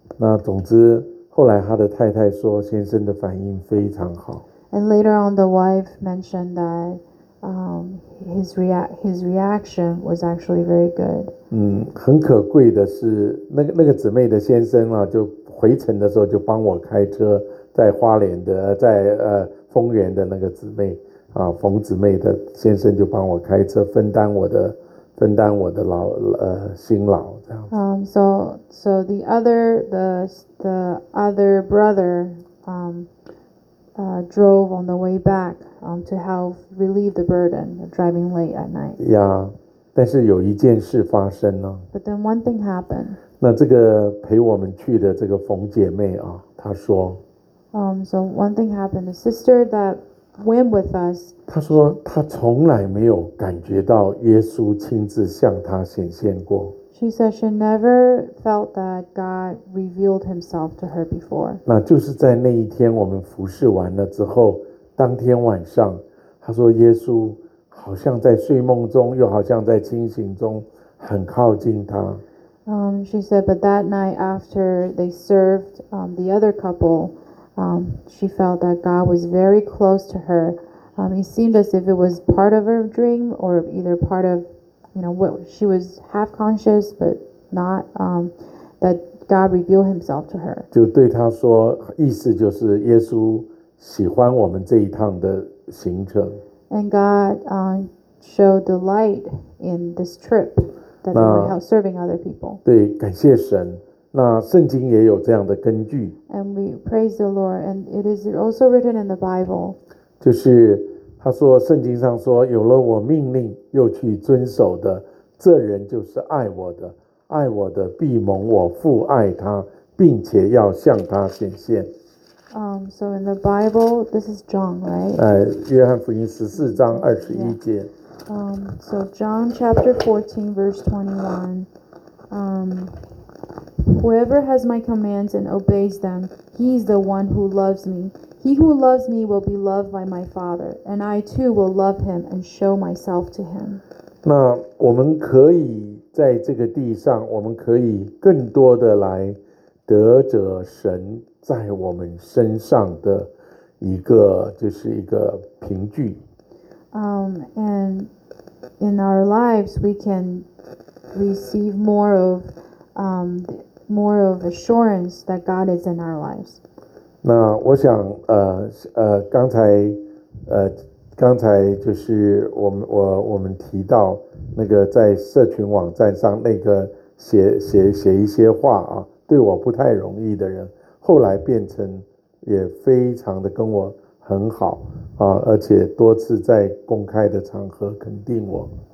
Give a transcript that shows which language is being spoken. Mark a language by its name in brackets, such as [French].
[Chinese] 那总之，后来他的太太说，先生的反应非常好。 [English] And later on, the wife mentioned that his reaction was actually very good. [Chinese] 很可贵的是，那个姊妹的先生啊，就回程的时候就帮我开车，在花莲的，在丰原的那个姊妹。冯姊妹的先生就帮我开车，分担我的劳辛劳这样。 [English] So the other brother drove on the way back to help relieve the burden of driving late at night. [Chinese] Yeah, 但是有一件事发生了。 [English] But then one thing happened. [Chinese] 那这个陪我们去的这个冯姐妹啊，她说。 [English] So one thing happened. The sister that went with us. [Chinese] 他说他从来没有感觉到耶稣亲自向他显现过。 [English] She said she never felt that God revealed himself to her before. [Chinese] 那就是在那一天我们服侍完了之后，当天晚上，他说耶稣好像在睡梦中，又好像在清醒中，很靠近他。 [English] She said, but that night after they served the other couple,she felt that God was very close to her. It seemed as if it was part of her dream, or either part of, you know, what she was half conscious, but not that God revealed Himself to her. [Chinese] 就对他说，意思就是耶稣喜欢我们这一趟的行程。 [English] And God showed delight in this trip that they were out serving other people. [Chinese] 对，感谢神。那圣经也有这样的根据。 [English] And we praise the Lord, and it is also written in the Bible. [Chinese] 就是他说，圣经上说，有了我命令又去遵守的，这人就是爱我的，爱我的必蒙我父爱他，并且要向他显现。 [English] So in the Bible, this is John, right? [Chinese] 约翰福音十四章二十一节。 [English] So John chapter 14 verse 21. Whoever has my commands and obeys them, he is the one who loves me. He who loves me will be loved by my Father, and I too will love him and show myself to him. [Chinese] 那我们可以在这个地上，我们可以更多的来得着神在我们身上的一个，就是一个凭据。 [English] And in our lives, we can receive more of more of assurance that God is in our lives. [Chinese] 那我想刚才就是我们提到那个在社群网站上那个写一些话啊，对我不太容易的人，后来变成也非常的跟我很好啊，而且多次在公开的场合肯定我。